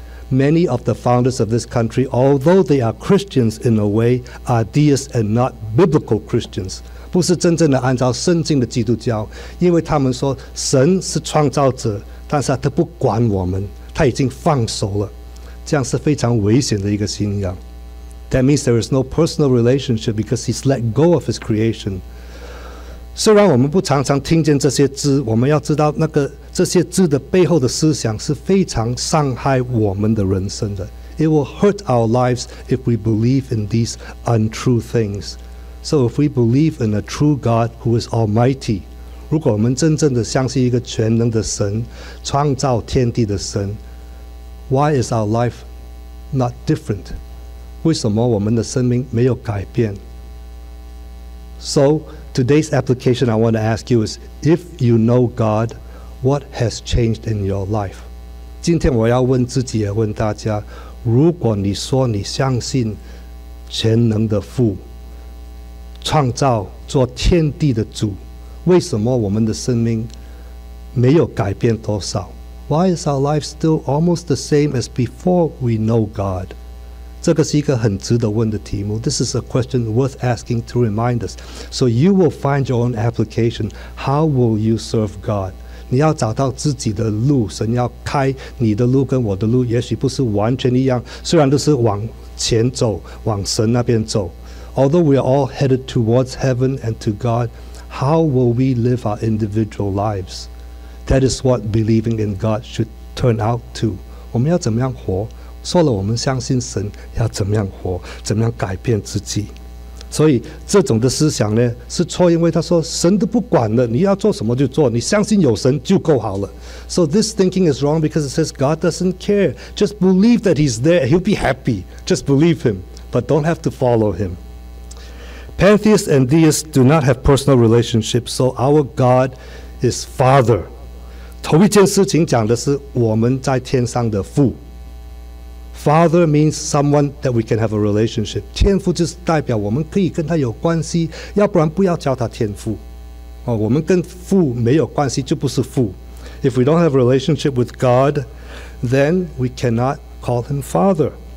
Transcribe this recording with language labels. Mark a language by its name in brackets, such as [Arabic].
[English] Many of the founders of this country, although they are Christians in a way, are deists and not biblical Christians. [Chinese] 不是真正的按照圣经的基督教，因为他们说神是创造者，但是他不管我们，他已经放手了，这样是非常危险的一个信仰。 [English] That means there is no personal relationship because he's let go of his creation. [Chinese] 虽然我们不常常听见这些字，我们要知道那个这些字的背后的思想是非常伤害我们的人生的。 [English] It will hurt our lives if we believe in these untrue things. So if we believe in a true God who is almighty, [Chinese] 如果我们真正的相信一个全能的神，创造天地的神， [English] Why is our life not different? [Chinese] 为什么我们的生命没有改变？ [English] So today's application I want to ask you is, if you know God,What has changed in your life? [Chinese] 今天我要问自己也问大家，如果你说你相信全能的父，创造做天地的主，为什么我们的生命没有改变多少？ [English] Why is our life still almost the same as before we know God? [Chinese] 这个是一个很值得问的题目。 [English] This is a question worth asking to remind us. So you will find your own application. How will you serve God? [Chinese] 你要找到自己的路，神要开你的路跟我的路，也许不是完全一样，虽然都是往前走，往神那边走。 [English] Although we are all headed towards heaven and to God, how will we live our individual lives? That is what believing in God should turn out to. [Chinese] 我们要怎么样活？说了我们相信神，要怎么样活？怎么样改变自己？所以这种的思想呢是错，因为他说神都不管了，你要做什么就做，你相信有神就够好了。 [English] So this thinking is wrong because it says God doesn't care. Just believe that he's there, he'll be happy. Just believe him, but don't have to follow him. Pantheists and deists do not have personal relationships, so our God is Father. [Chinese] 同一件事情讲的是我们在天上的父。 [English] Father means someone that we can have a relationship. [Chinese] 天父就是代表我们可以跟他有关系，要不然不要叫他天父。哦，我们跟父没有关系就不是父。 [English] If we don't have a relationship with God, then we cannot call him Father.